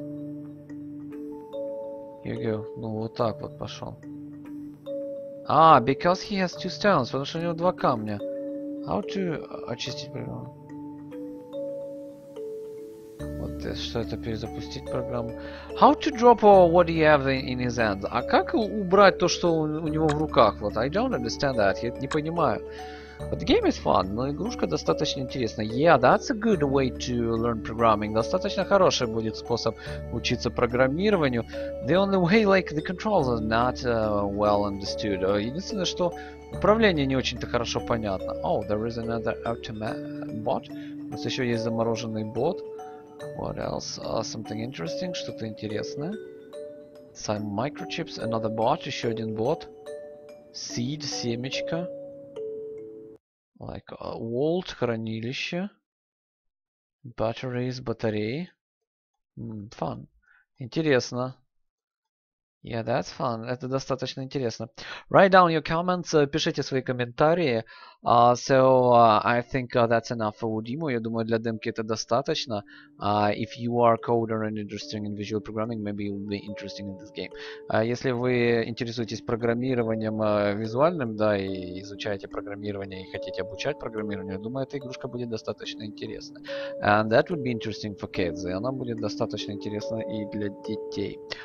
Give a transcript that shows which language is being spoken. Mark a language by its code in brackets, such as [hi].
[en] Here you go. [ru] Ну вот так вот пошёл. [en] Ah, because he has two stones. [ru] Потому что у него два камня. [en] How to... [ru] Очистить... [en] What [ru] Что это перезапустить программу? [en] How to drop all what he has in his hands? [ru] А как убрать то, что у него в руках? [en] Вот, I don't understand that. [ru] Я не понимаю. [en] But game is fun, [ru] но игрушка достаточно интересная. [en] Yeah, that's a good way to learn programming. [ru] Достаточно хороший будет способ учиться программированию. [en] The only way, like, the controls are not well understood. [ru] Единственное, что управление не очень-то хорошо понятно. [en] Oh, there is another bot. [ru] У нас еще есть замороженный бот. [en] What else? Something interesting, [ru] что-то интересное. [en] Some microchips, another bot, [ru] еще один бот. [en] Seed, [ru] семечко. [en] Like a vault, [ru] хранилище. [en] Batteries, [ru] батареи. [en] Fun. [ru] Интересно. [en] Yeah, that's fun. [ru] Это достаточно интересно. [en] Write down your comments. [ru] Пишите свои комментарии. [en] I think that's enough for Dimo. [ru] Я думаю, для демки это достаточно. [en] If you are coder and interested in visual programming, maybe you'll be interested in this game. [ru] Если вы интересуетесь программированием визуальным, да, и изучаете программирование, и хотите обучать программированию, я думаю, эта игрушка будет достаточно интересна. [en] And that would be interesting for kids. [ru] И она будет достаточно интересна и для детей.